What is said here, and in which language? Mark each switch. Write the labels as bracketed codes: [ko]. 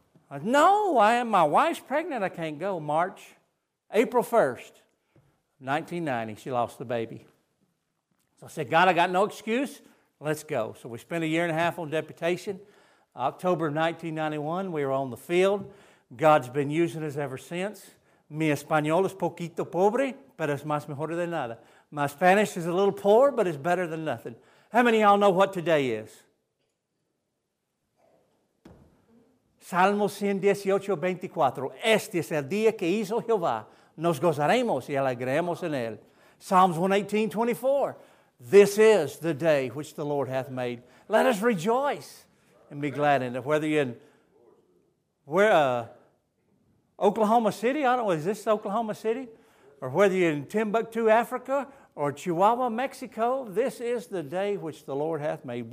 [en] I said, no, my wife's pregnant, I can't go. March, April 1st, 1990, she lost the baby. So I said, God, I got no excuse. Let's go. So we spent a year and a half on deputation. October of 1991, we were on the field. God's been using us ever since. [es] Mi español es poquito pobre, pero es más mejor de nada. [en] My Spanish is a little poor, but it's better than nothing. How many of y'all know what today is? [es] Salmo 118:24. Este es el día que hizo Jehová. Nos gozaremos y alegremos en él. [en] Psalms 118:24. This is the day which the Lord hath made. Let us rejoice and be glad in it. Whether you're in Oklahoma City, I don't know, is this Oklahoma City? Or whether you're in Timbuktu, Africa, or Chihuahua, Mexico, this is the day which the Lord hath made.